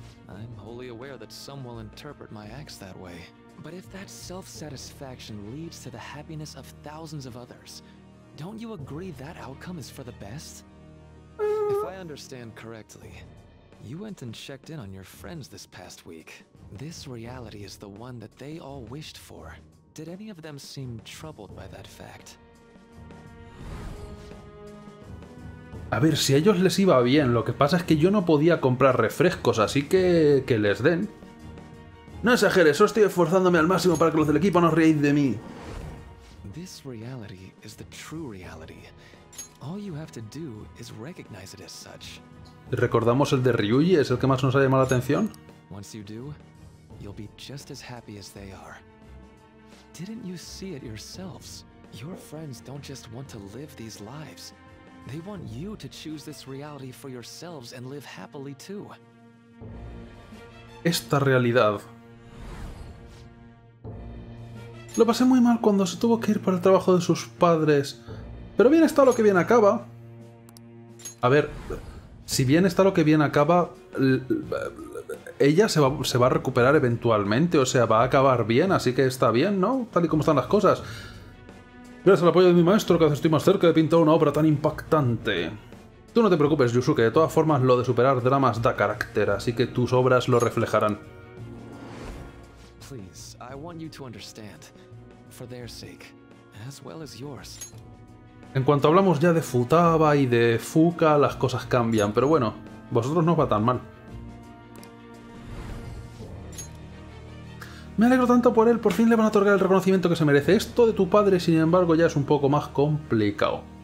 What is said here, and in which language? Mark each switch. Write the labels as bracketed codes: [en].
[en] I'm wholly aware that some will interpret my acts that way. But if that self-satisfaction leads to the happiness of thousands of others, don't you agree that outcome is for the best? If I understand correctly, you went and checked in on your friends this past week. This reality is the one that they all wished for. Did any of them seem troubled by that fact? [es] A ver, si a ellos les iba bien, lo que pasa es que yo no podía comprar refrescos, así que les den. No exageres, solo estoy esforzándome al máximo para que los del equipo no os riáis de mí. [en] This reality is the true reality. All you have to do is recognize it as such. [es] ¿Recordamos el de Ryuji? ¿Es el que más nos ha llamado la atención? [en] Once you do, you'll be just as happy as they are. Didn't you see it yourselves? Your friends don't just want to live these lives. They want you to choose this reality for yourselves and live happily too. [es] Esta realidad. Lo pasé muy mal cuando se tuvo que ir por el trabajo de sus padres. Pero bien está lo que bien acaba. A ver, si bien está lo que bien acaba, ella se va a recuperar eventualmente, o sea, va a acabar bien, así que está bien, ¿no? Tal y como están las cosas. Gracias al apoyo de mi maestro, que hace estoy más cerca de pintar una obra tan impactante. Tú no te preocupes, Yusuke. De todas formas, lo de superar dramas da carácter, así que tus obras lo reflejarán. [en] Please, I want you to understand, for their sake, as well as yours. [es] En cuanto hablamos ya de Futaba y de Fuka, las cosas cambian, pero bueno, vosotros no os va tan mal. Me alegro tanto por él, por fin le van a otorgar el reconocimiento que se merece. Esto de tu padre, sin embargo, ya es un poco más complicado.